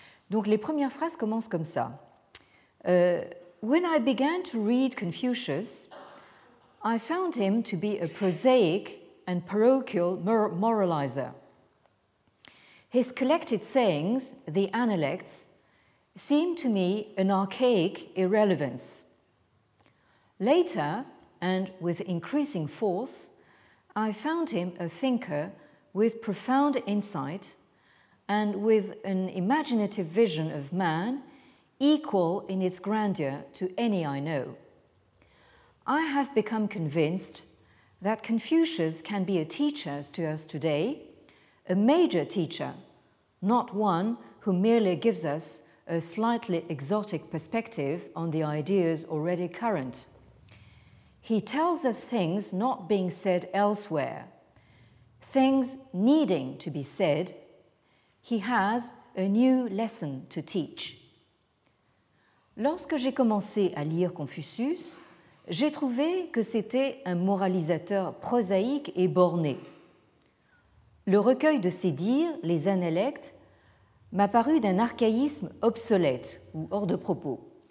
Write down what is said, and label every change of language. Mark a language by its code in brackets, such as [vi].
[fr] Donc les premières phrases commencent comme ça. [en] When I began to read Confucius, I found him to be a prosaic and parochial moralizer. His collected sayings, the Analects, seemed to me an archaic irrelevance. Later, and with increasing force, I found him a thinker with profound insight and with an imaginative vision of man equal in its grandeur to any I know. I have become convinced that Confucius can be a teacher to us today, a major teacher, not one who merely gives us a slightly exotic perspective on the ideas already current. He tells us things not being said elsewhere, things needing to be said. He has a new lesson to teach. [fr] Lorsque j'ai commencé à lire Confucius, j'ai trouvé que c'était un moralisateur prosaïque et borné. Le recueil de ses dires, les Analectes, m'a paru d'un archaïsme obsolète ou hors de propos.